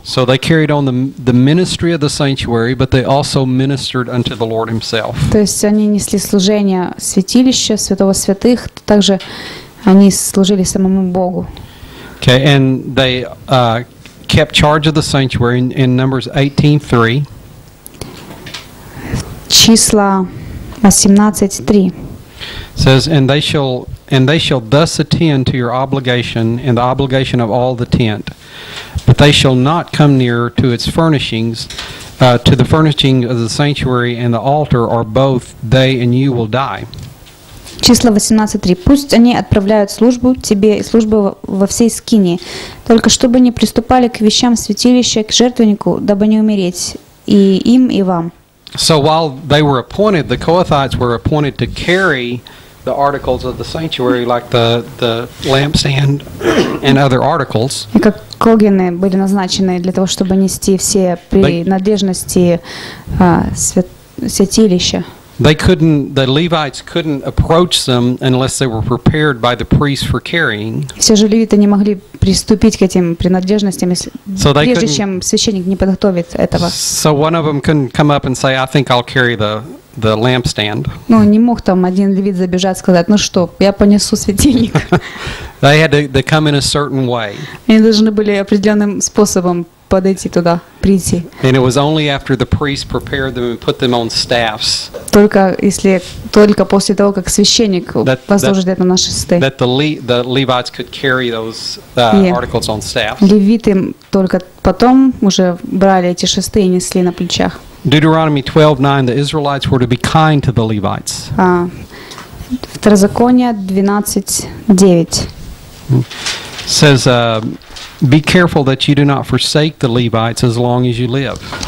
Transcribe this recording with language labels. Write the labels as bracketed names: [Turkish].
[English] So they carried on the ministry of the sanctuary, but they also ministered unto the Lord himself. [Russian] То есть они несли служение святилища, святого святых, также они служили самому Богу. [English] Okay, and they kept charge of the sanctuary in Numbers 18:3. [Russian] Числа 18:3. [English] says, and they shall thus attend to your obligation and the obligation of all the tent, but they shall not come near to its furnishings, to the furnishing of the sanctuary and the altar, or both they and you will die. [Russian] Число 18:3. Пусть они отправляют службу тебе и службу во всей скинии, только чтобы не приступали к вещам святилища, к жертвеннику, дабы не умереть и им, и вам. [English] So while they were appointed, the Kohathites were appointed to carry the articles of the sanctuary, like the lampstand and other articles. [Russian] И как когены были назначены для того, чтобы нести все принадлежности святилища. [English] The Levites couldn't approach them unless they were prepared by the priests for carrying. [Russian] Все же левиты не могли приступить к этим принадлежностям, прежде чем священник не подготовит этого. [English] So one of them couldn't come up and say, "I think I'll carry the lampstand." [Russian] Ну, не мог там один левит забежать сказать, ну что, я понесу светильник. [English] They had to come in a certain way. [Russian] Они должны были определенным способом подойти туда, прийти. [English] And it was only after the priest prepared them and put them on staffs. [Russian] Только после того, как священник возложит это на шесты. [English] That the Levites could carry those articles on staffs. [Russian] Левиты только потом уже брали эти шесты и несли на плечах. [English] Deuteronomy 12:9, the Israelites were to be kind to the Levites. [Russian] Второзаконие 12:9. [English] Says, be careful that you do not forsake the Levites as long as you live.